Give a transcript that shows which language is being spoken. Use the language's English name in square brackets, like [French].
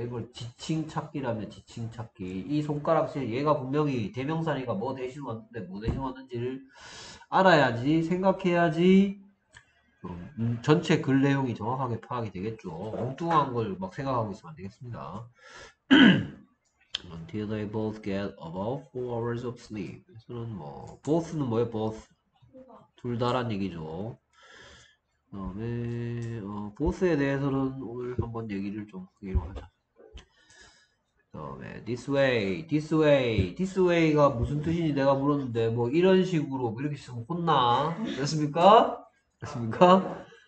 [Korean] 이걸 지칭 찾기라면 지칭 찾기. 이 손가락질 얘가 분명히 대명사니까 뭐 대신 왔는데 뭐 대신 왔는지를 알아야지 생각해야지 전체 글 내용이 정확하게 파악이 되겠죠. 엉뚱한 걸막 생각하고 있으면 안 되겠습니다. [English] Until they both get about 4 hours of sleep. [Korean] 그래서는 뭐, both는 뭐예요? both. 둘 다란 얘기죠. 그다음에 both에 대해서는 오늘 한번 얘기를 좀 하기로 하자. 그다음에 this way가 무슨 뜻인지 내가 물었는데 뭐 이런 식으로 이렇게 쓰면 혼나. 됐습니까? 됐습니까?